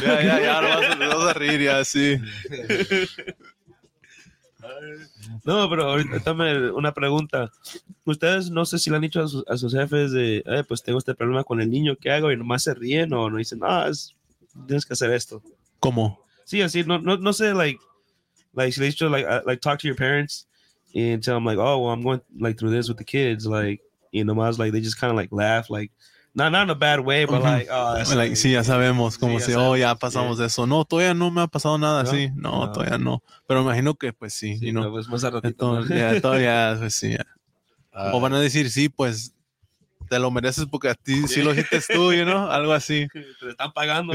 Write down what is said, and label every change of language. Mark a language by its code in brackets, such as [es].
[es] Ya, no vas a reír, ya, sí. No, pero ahorita dame una pregunta. Ustedes no sé si le han dicho a sus jefes de, pues tengo este problema con el niño, ¿qué hago? Y nomás se ríen o no dicen, tienes que hacer esto. ¿Cómo? Sí, así, no sé, [en] like, [es] si le he dicho, [en] like, talk to your parents and tell them, like, oh, well, I'm going, like, through this with the kids, like, [es] y nomás, [en] like, they just kind of, like, laugh, like, not in a bad way, but, uh-huh. like, [es] sí, ya sabemos, como sí, ya si, sabemos. Oh, ya pasamos yeah. eso. No, todavía no me ha pasado nada así. No, no, todavía no. Pero imagino que, pues, sí. Sí, no, pues, más a ratito. Entonces, ya, todavía, pues, sí. Ya. O van a decir, sí, pues, te lo mereces porque a ti sí lo hiciste tú, [en] you know, [es] algo así. Te están pagando,